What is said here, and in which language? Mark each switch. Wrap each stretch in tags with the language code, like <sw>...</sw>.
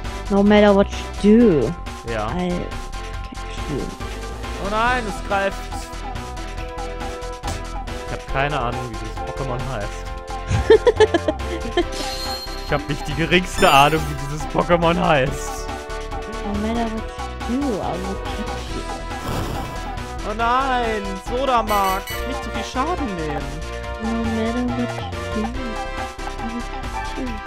<en>No matter what you do.</en> <de>Ja.</de> <en>I catch you.</en> <de>Oh nein, es greift. Ich habe keine Ahnung, wie dieses Pokémon heißt. Ich habe nicht die geringste Ahnung, wie dieses Pokémon heißt.</de> <en>No matter what you do, I will catch you.</en> <de>Oh nein, Sodamark, nicht so viel Schaden nehmen.</de> <en>No matter what you do, I will catch you.</en>